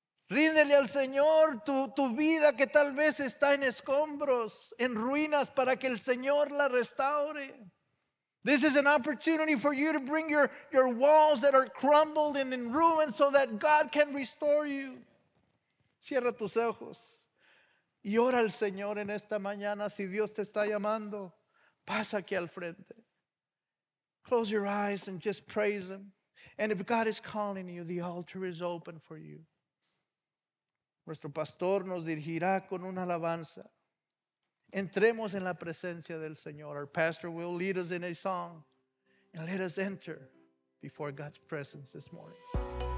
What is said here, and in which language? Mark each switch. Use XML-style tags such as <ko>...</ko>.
<es>Ríndele al Señor tu vida que tal vez está en escombros, en ruinas, para que el Señor la restaure.</es> <en>This is an opportunity for you to bring your walls that are crumbled and in ruins so that God can restore you.</en> <es>Cierra tus ojos y ora al Señor en esta mañana. Si Dios te está llamando, pasa aquí al frente.</es> <en>Close your eyes and just praise Him. And if God is calling you, the altar is open for you.</en> <es>Nuestro pastor nos dirigirá con una alabanza. Entremos en la presencia del Señor.</es> <en>Our pastor will lead us in a song and let us enter before God's presence this morning.</en>